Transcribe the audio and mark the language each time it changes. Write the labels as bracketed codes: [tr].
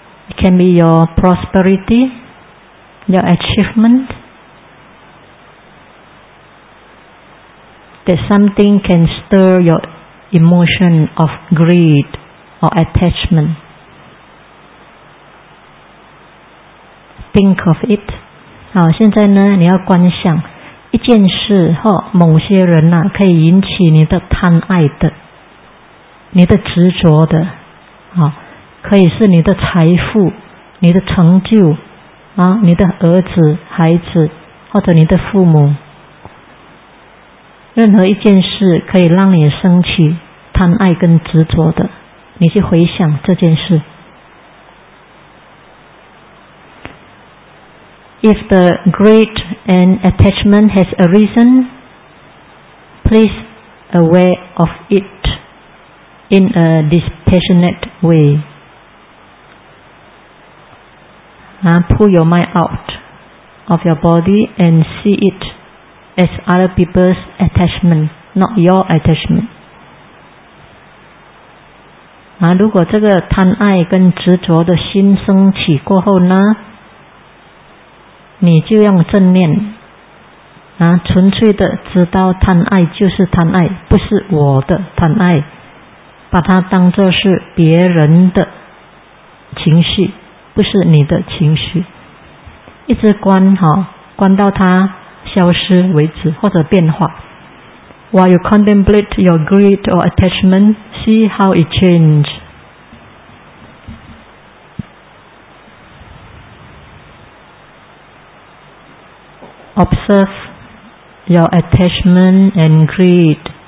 [en] It can be your prosperityYour achievement, that something can stir your emotion of greed or attachment. think of it. [zh] 好，现在呢，你要观想一件事或某些人呐、啊，可以引起你的贪爱的，你的执着的，啊，可以是你的财富、你的成就，啊，你的儿子、孩子或者你的父母，任何一件事可以让你生起贪爱跟执着的，你去回想这件事。 [en] If the greed and attachment has arisen, please aware of it in a dispassionate way. Pull your mind out of your body and see it as other people's attachment, not your attachment. [zh] 如果这个贪爱跟执着的心升起过后呢？你就用正念啊，纯粹的知道贪爱就是贪爱，不是我的贪爱，把它当作是别人的情绪，不是你的情绪，一直观哈，观到它消失为止或者变化。 [en] While you contemplate your greed or attachment, see how it changes. Observe your attachment and greed.